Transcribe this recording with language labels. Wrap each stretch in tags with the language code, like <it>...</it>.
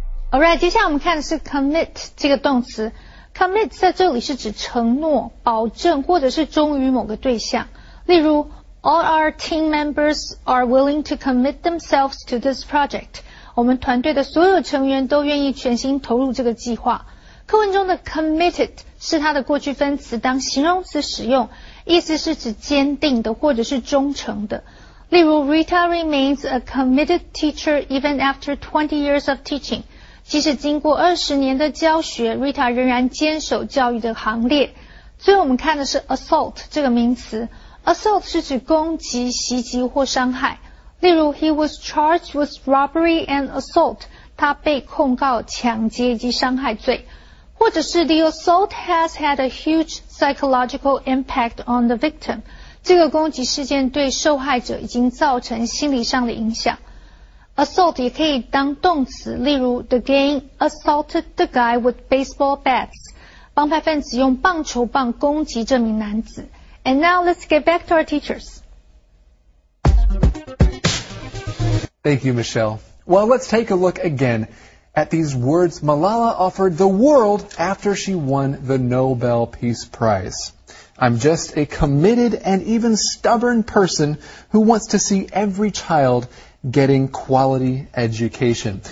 <zh>Alright, 接下来我们看的是 commit 这个动词。commit 在这里是指承诺、保证或者是忠于某个对象。</zh> <en>例如 ,all our team members are willing to commit themselves to this project.</en> <zh>我们团队的所有成员都愿意全心投入这个计划。课文中的 committed 是它的过去分词当形容词使用，意思是指坚定的或者是忠诚的。</zh> <en>例如 ,Rita remains a committed teacher even after 20 years of teaching.</en> <zh>即使经过20年的教学 ,Rita 仍然坚守教育的行列。最后我们看的是 assault 这个名词。Assault 是指攻击、袭击或伤害。</zh> <en>例如 ,He was charged with robbery and assault.</en> <zh>他被控告抢劫以及伤害罪。</zh> <en>或者是 ,The assault has had a huge psychological impact on the victim.</en> <zh>这个攻击事件对受害者已经造成心理上的影响。</zh> <en>Assault 也可以当动词，例如 The gang assaulted the guy with baseball bats.</en> <zh>帮派分子用棒球棒攻击这名男子。</zh> <en>And now let's get back to our teachers. Thank you, Michelle. Well, let's take a look again at these words Malala offered the world after she won the Nobel Peace Prize. I'm just a committed and even stubborn person who wants to see every child getting quality education.</en>